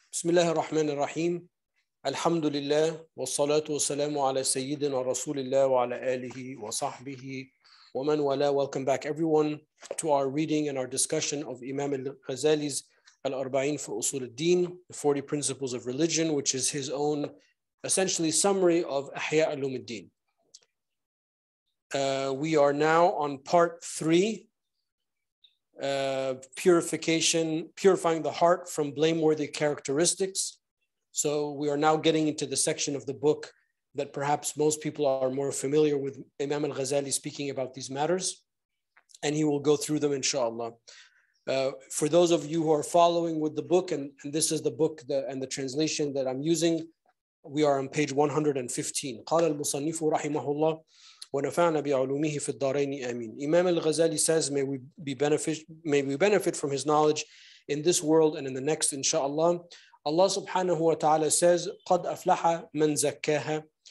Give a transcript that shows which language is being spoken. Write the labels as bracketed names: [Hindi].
[Arabic] بسم الله الرحمن الرحيم الحمد لله والصلاة والسلام على سيدنا رسول الله وعلى آله وصحبه ومن ولا. [English] Welcome back everyone to our reading and our discussion of Imam al-Ghazali's Al-Arba'in fi Usul al-Din, the 40 Principles of Religion, which is his own essentially summary of Ahya Ulum al-Din. We are now on part three, purifying the heart from blameworthy characteristics. So we are now getting into the section of the book that perhaps most people are more familiar with, Imam al-Ghazali speaking about these matters, and he will go through them inshallah. For those of you who are following with the book, and this is the book and the translation that I'm using, we are on page 115. [Arabic] قال المصنف رحمه الله ونفعنا بعلومه في الدارين آمين. [English] Imam al-Ghazali says, may we benefit from his knowledge in this world and in the next, inshallah. Allah subhanahu wa ta'ala says, [Arabic] قَدْ أَفْلَحَ مَنْ زَكَّاهَا.